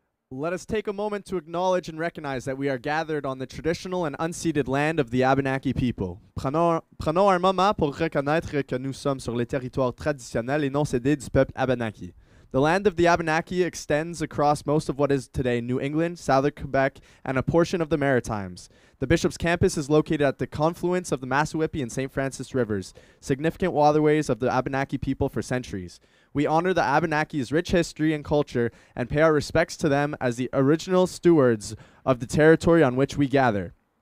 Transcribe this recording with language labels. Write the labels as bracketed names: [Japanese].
[English] Let us take a moment to acknowledge and recognize that we are gathered on the traditional and unceded land of the Abenaki people. [French] Prenons un moment pour reconnaître que nous sommes sur les territoires traditionnels et non cédés du peuple Abenaki. [English] The land of the Abenaki extends across most of what is today New England, Southern Quebec, and a portion of the Maritimes. The Bishop's campus is located at the confluence of the Massawippi and St. Francis Rivers, significant waterways of the Abenaki people for centuries. We honor the Abenaki's rich history and culture and pay our respects to them as the original stewards of the territory on which we gather.